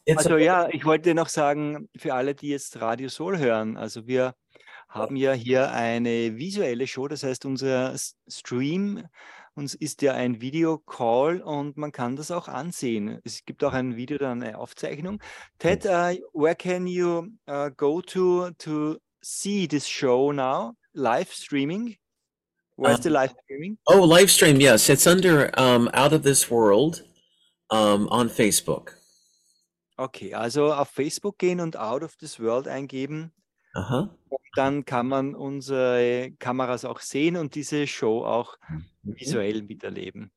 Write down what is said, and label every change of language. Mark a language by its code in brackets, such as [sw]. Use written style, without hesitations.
[de] also ja, ich wollte noch sagen für alle, die jetzt Radio Soul hören, also wir haben ja hier eine visuelle Show, das heißt unser Stream uns ist ja ein Video-Call und man kann das auch ansehen. Es gibt auch ein Video oder eine Aufzeichnung. [en] Ted, where can you go to see this show now? Live streaming? Where's the live streaming? Oh, live stream, yes. It's under Out of This World on Facebook. [de] Okay, also auf Facebook gehen und Out of This World eingeben. Uh-huh. Und dann kann man unsere Kameras auch sehen und diese Show auch visuell miterleben.